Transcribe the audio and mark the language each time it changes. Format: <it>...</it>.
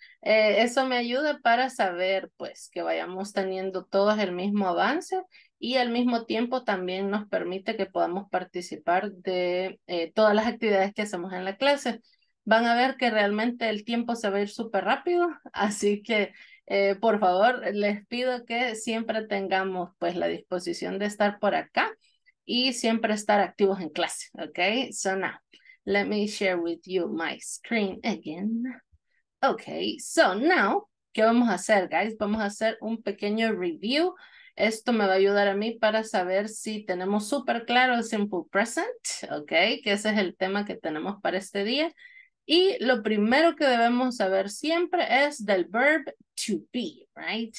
<es>Eso me ayuda para saber, pues, que vayamos teniendo todos el mismo avance y al mismo tiempo también nos permite que podamos participar de todas las actividades que hacemos en la clase. Van a ver que realmente el tiempo se va a ir súper rápido, así que por favor les pido que siempre tengamos pues la disposición de estar por acá y siempre estar activos en clase, ¿ok?</es> <en>So now, let me share with you my screen again. Okay, so now,</en> <es>¿qué vamos a hacer, guys? Vamos a hacer un pequeño review. Esto me va a ayudar a mí para saber si tenemos súper claro el simple present, okay, que ese es el tema que tenemos para este día. Y lo primero que debemos saber siempre es del verb to be, right?</es>